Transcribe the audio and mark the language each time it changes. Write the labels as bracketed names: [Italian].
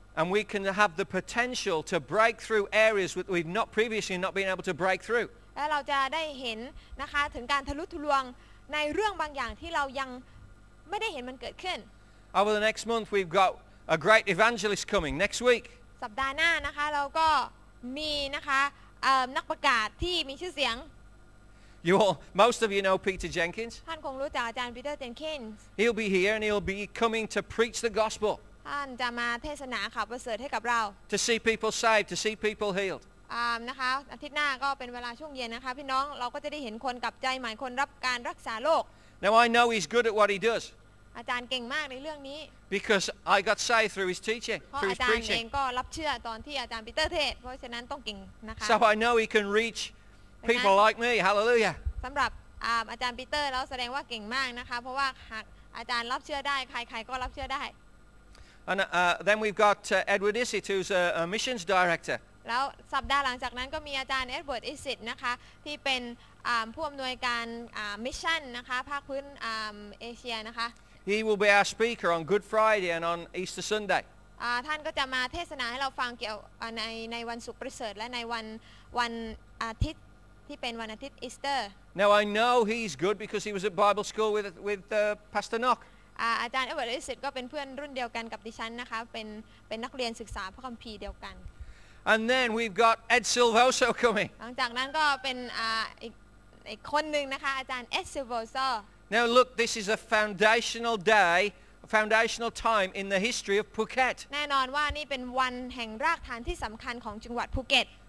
[English] And we can have the potential to break through areas that we've not previously not been able to break through. [Thai] แล้วเราจะได้เห็นนะคะถึงการทะลุทะลวงในเรื่องบางอย่างที่เรายังไม่ได้เห็นมันเกิดขึ้น [English] Over the next month we've got a great evangelist coming next week. [Thai] สัปดาห์หน้านะคะเราก็มีนะคะนักประกาศที่มีชื่อเสียง [English] You all, most of you know Peter Jenkins. [Thai] ท่านคงรู้จักอาจารย์ Peter Jenkins. [English] He'll be here and he'll be coming to preach the gospel. [Thai] ท่านจะมาเทศนาข่าวประเสริฐให้กับเรา [English] To see people saved, to see people healed. [Thai] นะคะอาทิตย์หน้าก็เป็นเวลาช่วงเย็นนะคะพี่น้องเราก็จะได้เห็นคนกลับใจใหม่คนรับการรักษาโรค [English] Now I know he's good at what he does. [Thai] อาจารย์เก่งมากในเรื่องนี้ [English] Because I got saved through his teaching, through his preaching. [Thai] อาจารย์เองก็รับเชื่อตอนที่อาจารย์ปีเตอร์เทศเพราะฉะนั้นต้องเก่งนะคะ [English] So I know he can reach people like me. Hallelujah. [Thai] สำหรับอาจารย์ปีเตอร์แล้วแสดงว่าเก่งมากนะคะเพราะว่าหากอาจารย์รับเชื่อได้ใครๆก็รับเชื่อได้ [English] And then we've got Edward Issit, who's a missions director. [Thai] แล้วสัปดาห์หลังจากนั้นก็มีอาจารย์ Edward Issit นะคะที่เป็นผู้อำนวยการมิชชั่นนะคะภาคพื้นเอเชียนะคะ [English] He will be our speaker on Good Friday and on Easter Sunday. [Thai] ท่านก็จะมาเทศนาให้เราฟังเกี่ยวในวันศุกร์ประเสริฐและในวันอาทิตย์ที่เป็นวันอาทิตย์อีสเตอร์ [English] Now I know he's good because he was at Bible school with Pastor Nock. [Thai] อาจารย์เอเวอร์ลิสต์ก็เป็นเพื่อนรุ่นเดียวกันกับดิฉันนะคะเป็นนักเรียนศึกษาพระคัมภีร์เดียวกัน [English] And then we've got Ed Silvoso coming [Thai] หลังจากนั้นก็เป็นอีกคนนึงนะคะอาจารย์เอ็ดซิลโวโซ [English] Now look this is a foundational day a foundational time in the history of Phuket [Thai] แน่นอนว่านี่เป็นวันแห่งรากฐานที่สำคัญของจังหวัดภูเก็ต